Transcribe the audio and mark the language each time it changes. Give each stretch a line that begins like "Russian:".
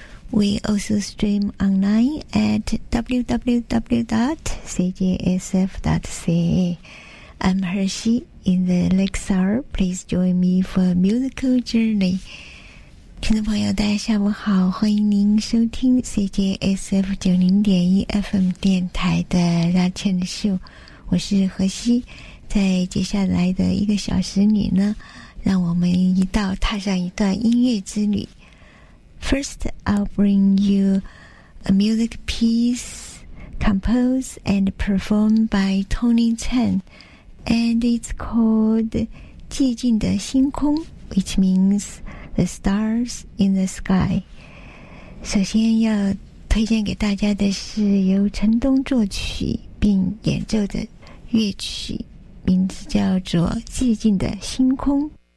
English: We also stream online at www.cjsf.ca. I'm Hershey in the next hour. Please join me for a musical journey.
Chinese: 听众朋友，大家下午好，欢迎您收听 CJSF 90.1 FM 电台的 That Chinese Show。我是何西。在接下来的一个小时里呢，让我们一道踏上一段音乐之旅。
English: First, I'll bring you a music piece composed and performed by Tony Chen, and it's called 寂静的星空 which means The Stars in the Sky.
Chinese: 首先要推荐给大家的是由陈东作曲并演奏的乐曲，名字叫做寂静的星空。